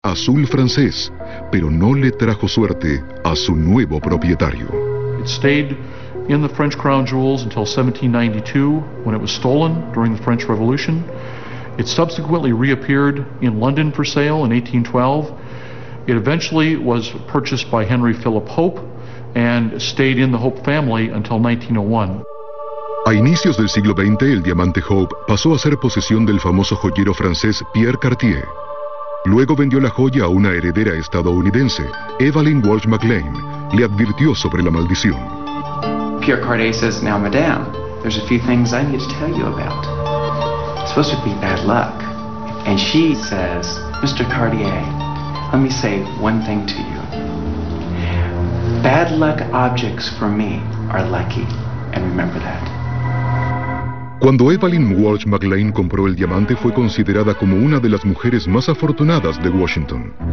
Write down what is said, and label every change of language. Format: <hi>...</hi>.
<es>azul francés, pero no le trajo suerte a su nuevo propietario.</es> <en>It stayed in the French crown jewels until 1792, when it was stolen during the French Revolution. It subsequently reappeared in London for sale in 1812. It eventually was purchased by Henry Philip Hope and stayed in the Hope family until 1901.</en> <es>A inicios del siglo XX, el diamante Hope pasó a ser posesión del famoso joyero francés Pierre Cartier. Luego vendió la joya a una heredera estadounidense, Evelyn Walsh MacLean, le advirtió sobre la maldición.</es> <en>Pierre Cartier says, "Now, madame, there's a few things I need to tell you about. It's supposed to be bad luck." And she says, "Mr. Cartier, let me say one thing to you. Bad luck objects for me are lucky, and remember that."</en> <es>Cuando Evelyn Walsh MacLean compró el diamante, fue considerada como una de las mujeres más afortunadas de Washington.</es>